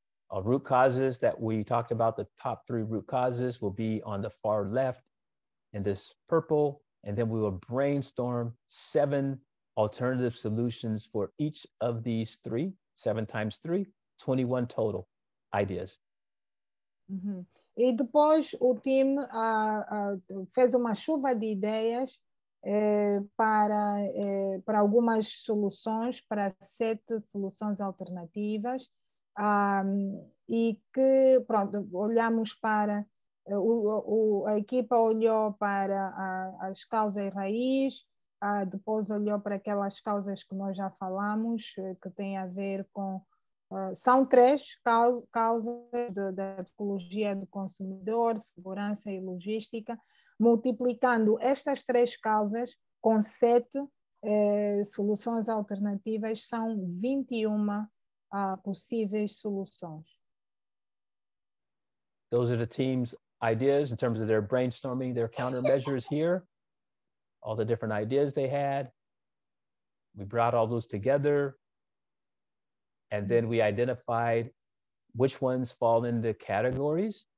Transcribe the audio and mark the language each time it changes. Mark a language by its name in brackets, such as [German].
[English] Our root causes that we talked about, the top 3 root causes will be on the far left in this purple, and then we will brainstorm 7 alternative solutions for each of these three, 7 times 3, 21 total ideas. Uh-huh. [Portuguese] E depois o team fez uma chuva de ideias para algumas soluções, para 7 soluções alternativas, e que, pronto, olhamos para, a equipa olhou para as causas raiz, depois olhou para aquelas causas que nós já falamos, que têm a ver com, são 3 causas da psicologia do consumidor, segurança e logística, multiplicando estas 3 causas com 7 soluções alternativas, são 21 possíveis soluções. [English] Those are the team's ideas in terms of their brainstorming, their countermeasures here, all the different ideas they had. We brought all those together. And then we identified which ones fall into categories.